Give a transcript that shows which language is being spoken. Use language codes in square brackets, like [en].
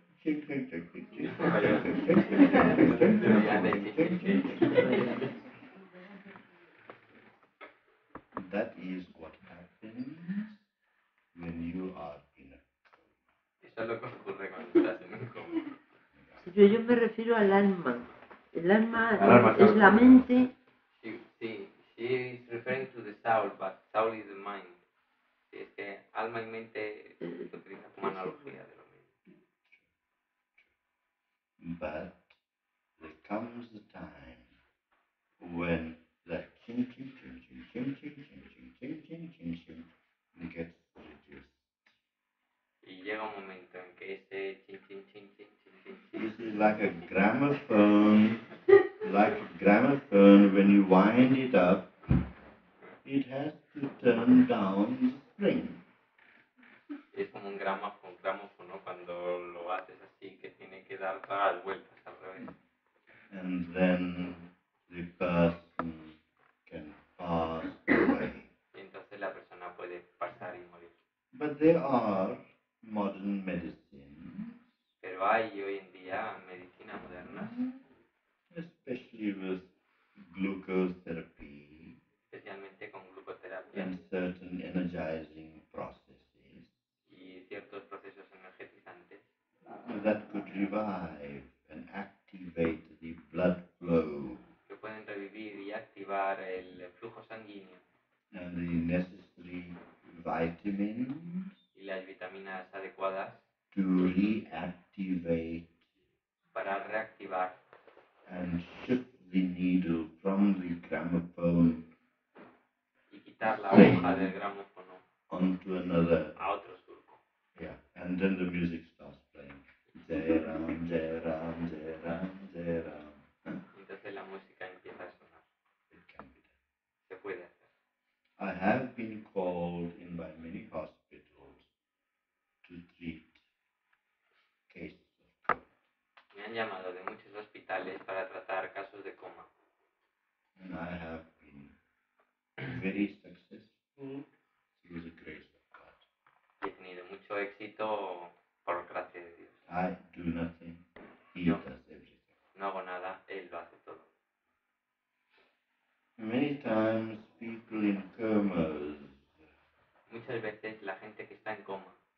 [en] That is what happens when you are in a coma. [es] Yo me refiero al alma. El alma es la mente. [en] He's referring to the soul, but soul is the mind. [es] Este, alma y mente se utiliza como analogía de lo mismo. [en] But there comes a time when that ching ching ching ching ching ching ching ching ching ching ching ching gets reduced. [es] Y llega un momento en que este ching ching ching ching ching ching. [en] This is like a gramophone, like a gramophone when you wind it up. It has to turn down the spring. [es] Es como un gramófono cuando lo haces así que tiene que dar todas las vueltas al revés. [en] And then the person can pass away. [es] Entonces la persona puede pasar y morir. [en] But there are modern medicines. [es] Pero hay hoy en día medicina moderna. [en] Especially with glucose therapy. [es] Especialmente con glucoterapia. [en] And certain energizing processes. [es] Y ciertos procesos energizantes. [en] That could revive and activate the blood flow. [es] Que pueden revivir y activar el flujo sanguíneo. [en] And the necessary vitamins. [es] Y las vitaminas adecuadas. [en] To reactivate. [es] Para reactivar. [en] And shift the needle from the gramophone. [es] La hoja del gramófono [en] onto another, [es] a otro surco. [en] Yeah, and then the music starts playing. Jairam, Jairam, Jairam, Jairam. [es] Entonces la música empieza a sonar. [en] It can be done. [es] Se puede hacer. [en] I have been called in by many hospitals to treat cases of coma. [es] Me han llamado de muchos hospitales para tratar casos de coma. [en] And I have been very successful through the grace of God. [es] He tenido mucho éxito por gracia de Dios. [en] I do nothing. He does everything. [es] No hago nada, él lo hace todo. [en] Many times people in comas. [es] Muchas veces la gente que está en coma.